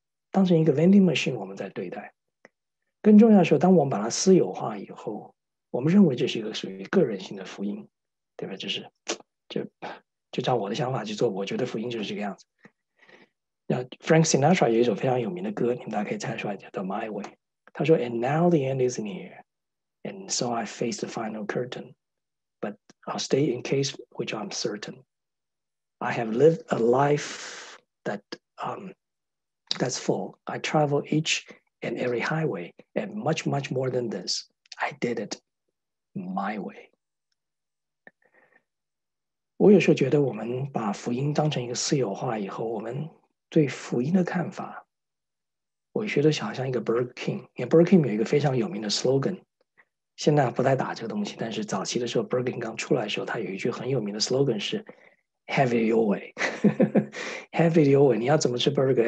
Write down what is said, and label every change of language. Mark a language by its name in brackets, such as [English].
[Chinese] 当成一个 vending machine 我们在对待。更重要的是，当我们把它私有化以后，我们认为这是一个属于个人性的福音，对吧？就照我的想法去做，我觉得福音就是这个样子。那 Frank Sinatra 有一首非常有名的歌，你们大家可以猜出来，叫做《My Way》。 [English] 他说：“And now the end is near, and so I face the final curtain, but I'll stay in case which I'm certain. I have lived a life that's full. I travel each and every highway, and much, much more than this. I did it my way.” [Chinese] 我有时候觉得，我们把福音当成一个私有化以后，我们对福音的看法，我觉得想像一个 Burger King，因为 Burger King 有一个非常有名的 slogan，现在不再打这个东西，但是早期的时候，Burger King 刚出来的时候，它有一句很有名的 slogan 是 [English] “Have it your way” [Chinese] Have it your way，你要怎么吃 burger？